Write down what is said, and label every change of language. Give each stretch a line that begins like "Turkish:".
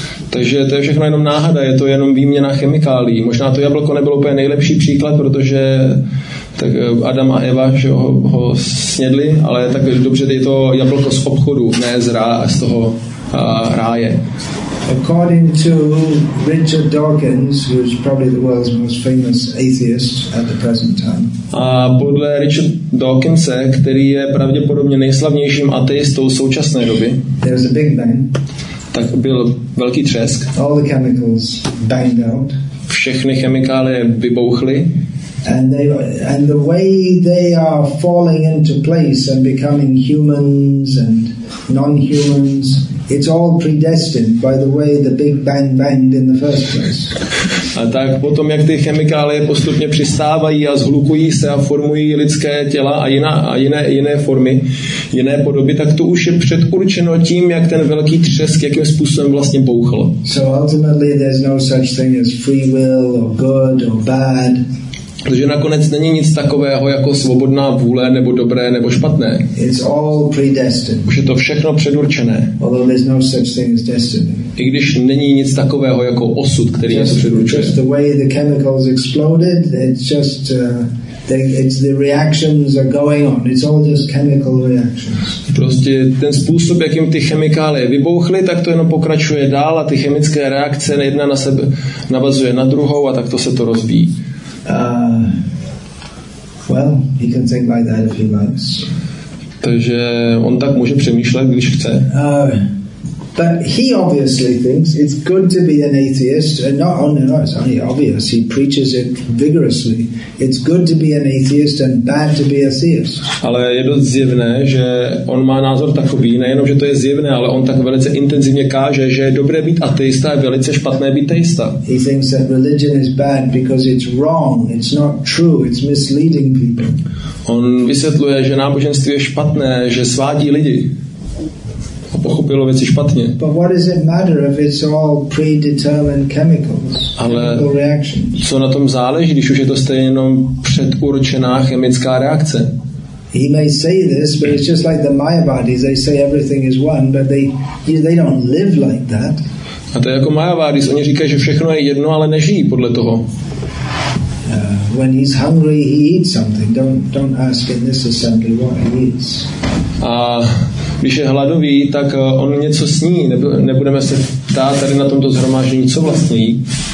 Czech: Takže to je všechno jenom náhada, je to jenom výměna chemikálií. Možná to jablko nebylo úplně nejlepší příklad, protože tak Adam a Eva ho snědli, ale tak dobře, je to jablko z obchodu, ne z toho ráje.
English: According to Richard Dawkins, who's probably the world's most famous atheist at the present time.
Czech: A podle Richard Dawkinse, který je pravděpodobně nejslavnějším ateistou současné doby.
English: There was a big bang.
Czech: Tak byl velký třesk.
English: All the chemicals banged out.
Czech: Všechny chemikálie vybouchly.
English: And the way they are falling into place and becoming humans and non-humans. It's all predestined by the way the Big Bang banged in the first place.
Czech: A tak potom, jak ty chemikálie postupně přistávají a zhlukují se a formují lidské těla a jiné formy, jiné podoby, tak to už je předurčeno tím, jak ten velký třesk, jakým způsobem vlastně bouchl.
English: So ultimately there's no such thing as free will or good or bad.
Czech: Protože nakonec není nic takového jako svobodná vůle, nebo dobré, nebo špatné.
English: It's all predestined.
Czech: Už je to všechno předurčené.
English: Although there's no such thing as destiny.
Czech: I když není nic takového jako osud, který něco předurčuje.
English: Just the way the chemicals exploded, it's just... It's the reactions are going on. It's all just chemical reactions.
Czech: Prostě ten způsob, jakým ty chemikálie vybouchly, tak to jenom pokračuje dál a ty chemické reakce jedna na sebe navazuje na druhou a tak to se to rozvíjí.
English: Well, he can think like that if he likes.
Czech: Takže on tak může přemýšlet, když chce.
English: But he obviously thinks it's good to be an atheist, and not only obvious, he preaches it vigorously. It's good to be an atheist and bad to be a theist.
Czech: Ale je dost zjevné, že on má názor takový, nejenom, že to je zjevné, ale on tak velice intenzivně káže, že je dobré být ateista a velice špatné být teista.
English: He thinks that religion is bad because it's wrong, it's not true, it's misleading people.
Czech: On vysvětluje, že náboženství je špatné, že svádí lidi. A pochopilo věci špatně.
English: But what does it matter if it's all predetermined chemicals?
Czech: Ale co na tom záleží, když už je to stejně jenom předurčená chemická reakce?
English: He may say this, but it's just like the Maya bodies. They say everything is one, but they don't live like that.
Czech: A to je jako Maya bodies. Oni říkají, že všechno je jedno, ale nežijí podle toho.
English: When he's hungry, he eats something. Don't ask in this assembly what he eats.
Czech: A když je hladový, tak on něco sní. Nebudeme se ptát tady na tomto zhromáždění, co vlastně jí.